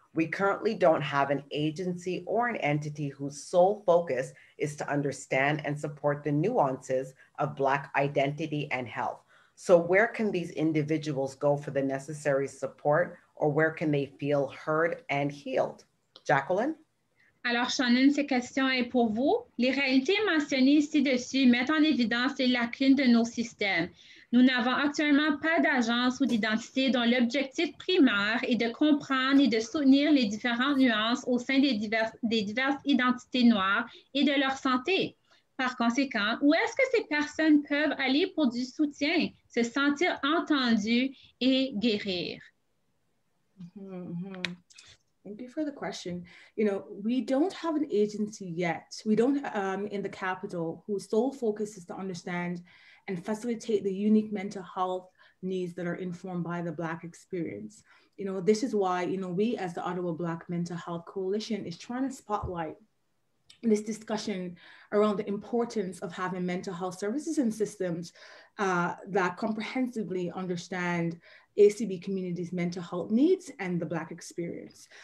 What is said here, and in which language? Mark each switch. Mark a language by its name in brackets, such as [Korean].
[English] We currently don't have an agency or an entity whose sole focus is to understand and support the nuances of Black identity and health. So where can these individuals go for the necessary support, or where can they feel heard and healed? Jacklyn? [French] Alors, Shannon, cette question est pour vous. Les réalités mentionnées ci-dessus mettent en évidence les lacunes de nos systèmes. Nous n'avons actuellement pas d'agence ou d'identité dont l'objectif primaire est de comprendre et de soutenir les différentes nuances au sein des diverses identités noires et de leur santé. Par conséquent, où est-ce que ces personnes peuvent aller pour du soutien, se sentir entendues et guérir? Mm-hmm. [English] Thank you for the question. You know, we don't have an agency yet. We don't in the capital, whose sole focus is to understand and facilitate the unique mental health needs that are informed by the Black experience. You know, this is why, you know, we as the Ottawa Black Mental Health Coalition is trying to spotlight this discussion around the importance of having mental health services and systems that comprehensively understand ACB communities' mental health needs and the Black experience.